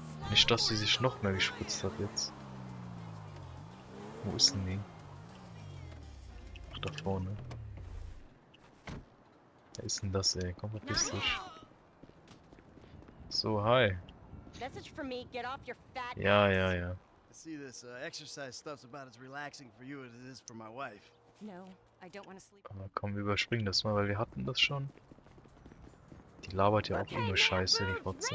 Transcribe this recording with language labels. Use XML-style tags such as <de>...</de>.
<de>Nicht, dass sie sich noch mehr gespritzt hat jetzt. Wo ist denn die? Ach, da vorne. Wer ist denn das, ey? Komm, verpiss dich. So, hi.</de> <en>Message for me, get off your fat ass. Yeah, yeah, yeah. I see this exercise stuff's about as relaxing for you as it is for my wife. No, I don't want to sleep.</en> <de>Komm, wir überspringen das mal, weil wir hatten das schon. Die labert ja auch immer Scheiße, die Fotze.</de>